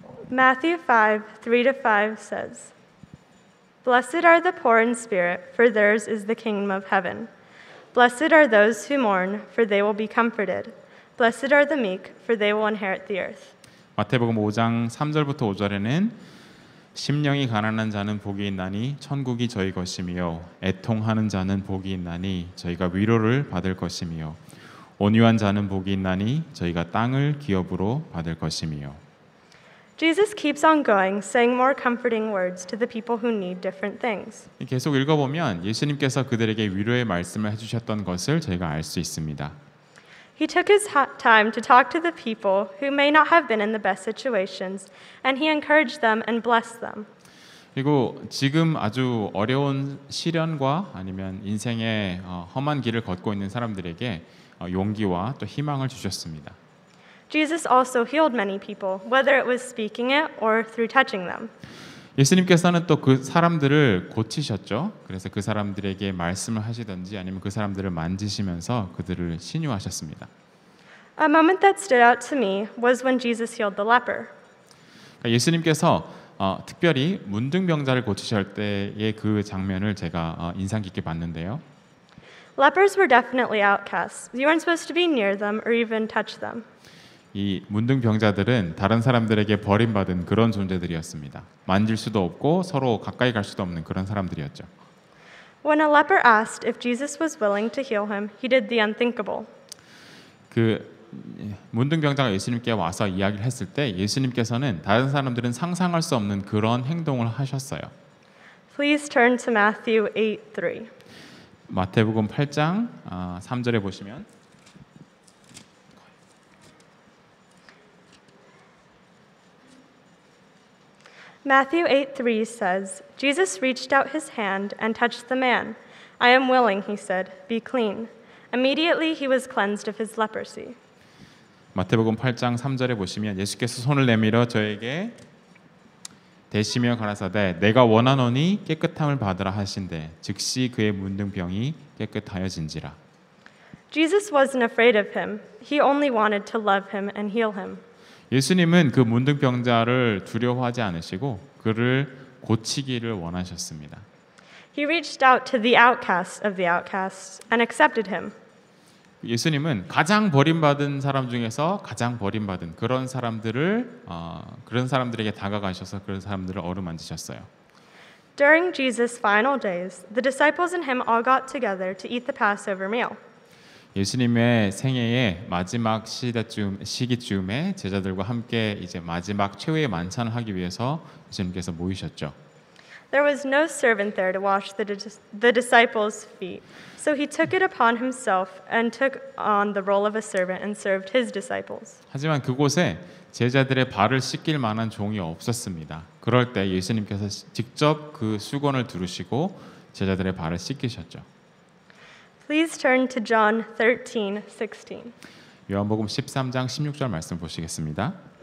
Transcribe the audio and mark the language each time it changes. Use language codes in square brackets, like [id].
[en] Matthew 5:3-5 says, Blessed are the poor in spirit, for theirs is the kingdom of heaven. Blessed are those who mourn, for they will be comforted. Blessed are the meek, for they will inherit the earth. [ko] 마태복음 5장 3절부터 5절에는 심령이 가난한 자는 복이 있나니 천국이 저희 것이며 애통하는 자는 복이 있나니 저희가 위로를 받을 것이며 온유한 자는 복이 있나니 저희가 땅을 기업으로 받을 것이며 [en] Jesus keeps on going, saying more comforting words to the people who need different things. [ko] 계속 읽어보면 예수님께서 그들에게 위로의 말씀을 해주셨던 것을 저희가 알 수 있습니다. [en] He took his time to talk to the people who may not have been in the best situations, and he encouraged them and blessed them. [ko] 그리고 지금 아주 어려운 시련과 아니면 인생의 험한 길을 걷고 있는 사람들에게 용기와 또 희망을 주셨습니다. [en] Jesus also healed many people, whether it was speaking it or through touching them. [ko] 예수님께서는 또 그 사람들을 고치셨죠. 그래서 그 사람들에게 말씀을 하시든지 아니면 그 사람들을 만지시면서 그들을 치유하셨습니다. [en] A moment that stood out to me was when Jesus healed the leper. [ko] 예수님께서 특별히 문둥병자를 고치실 때의 그 장면을 제가 인상 깊게 봤는데요. [en] Lepers were definitely outcasts. You weren't supposed to be near them or even touch them. [ko] 이 문둥병자들은 다른 사람들에게 버림받은 그런 존재들이었습니다. 만질 수도 없고 서로 가까이 갈 수도 없는 그런 사람들이었죠. [en] When a leper asked if Jesus was willing to heal him, he did the unthinkable. [ko] 그 문둥병자가 예수님께 와서 이야기를 했을 때 예수님께서는 다른 사람들은 상상할 수 없는 그런 행동을 하셨어요. [en] Please turn to Matthew 8:3. [ko] 마태복음 8장 3절에 보시면 [en] Matthew 8:3 says, Jesus reached out his hand and touched the man. I am willing, he said, be clean. Immediately he was cleansed of his leprosy. [ko] 마태복음 8장 3절에 보시면 예수께서 손을 내밀어 저에게 대시며 가라사대 내가 원하노니 깨끗함을 받으라 하신대 즉시 그의 문둥병이 깨끗하여진지라. [en] Jesus wasn't afraid of him. He only wanted to love him and heal him. [ko] 예수님은 그 문둥병자를 두려워하지 않으시고 그를 고치기를 원하셨습니다. [en] He reached out to the outcast of the outcasts and accepted him. [ko] 예수님은 가장 버림받은 사람 중에서 가장 버림받은 그런 사람들을 그런 사람들에게 다가가셔서 그런 사람들을 어루만지셨어요. [en] During Jesus' final days, the disciples and him all got together to eat the Passover meal. [ko] 예수님의 생애의 마지막 시기쯤에 제자들과 함께 이제 마지막 최후의 만찬을 하기 위해서 예수님께서 모이셨죠. [en] There was no servant there to wash the disciples' feet. So he took it upon himself and took on the role of a servant and served his disciples. [ko] 하지만 그곳에 제자들의 발을 씻길 만한 종이 없었습니다. 그럴 때 예수님께서 직접 그 수건을 두르시고 제자들의 발을 씻기셨죠. [en] Please turn to John 13:16. [ko] 요한복음 13장 16절 말씀 보시겠습니다.